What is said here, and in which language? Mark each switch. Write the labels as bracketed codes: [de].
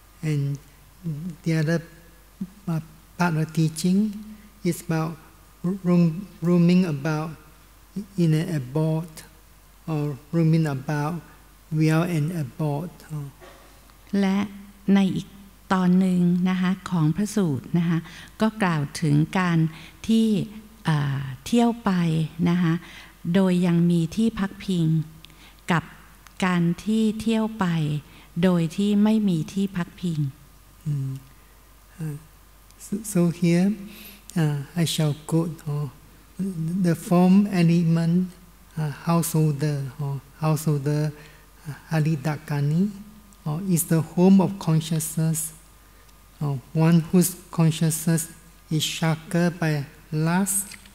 [en] and the other part of teaching is about roaming about in an abode or roaming about without an abode [th] และในอีกตอนหนึ่งนะคะของพระสูตรนะคะก็กล่าวถึงการที่เที่ยวไปนะคะโดยยังมีที่พักพิงกับการที่เที่ยวไปโดยที่ไม่มีที่พักพิง [en] So here, I shall quote the form element householder, householder Haridakani, is the home of consciousness, one whose consciousness is shackled by lust.